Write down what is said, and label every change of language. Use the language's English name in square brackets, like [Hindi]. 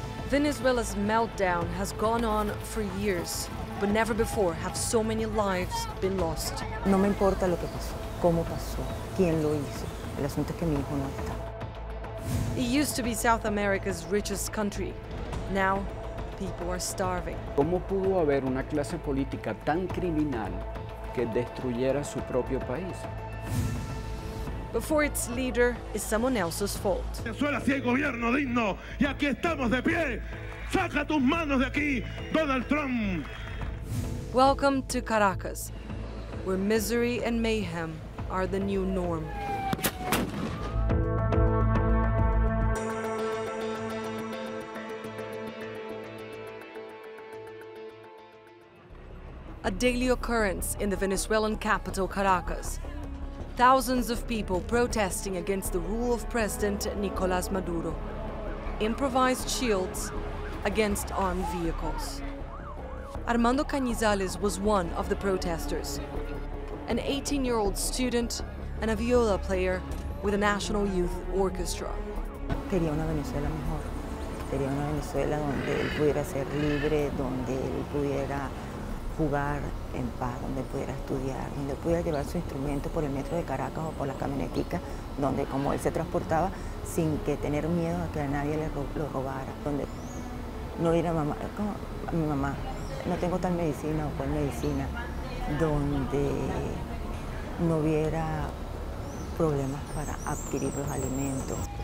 [English] Venezuela's meltdown has gone on for years, but never before have so many lives been lost. [Spanish] No me importa lo que pasó, cómo pasó, quién lo hizo. El asunto es que mi hijo no está. [English] It used to be South America's richest country. Now, people are starving. [Spanish] ¿Cómo pudo haber una clase política tan criminal que destruyera su propio país? [English] Before its leader is someone else's fault. [Spanish] Venezuela sí hay gobierno digno y aquí estamos de pie. Saca tus manos de aquí, Donald Trump. [English] Welcome to Caracas, where misery and mayhem are the new norm. A daily occurrence in the Venezuelan capital, Caracas. Thousands of people protesting against the rule of President Nicolas Maduro. Improvised shields against armed vehicles. Armando Cañizales was one of the protesters. An 18-year-old student and a viola player with a national youth orchestra. [Spanish] Quería una Venezuela mejor. Quería una Venezuela donde él pudiera ser libre, donde él pudiera jugar en paz, donde pudiera estudiar, donde pudiera llevar su instrumento por el metro de Caracas o por la camionetica, donde como él se transportaba sin que tener miedo a que a nadie lo robara, donde no ir a mamá, como a mi mamá, no tengo tal medicina o cual medicina, donde no hubiera problemas para adquirir los alimentos.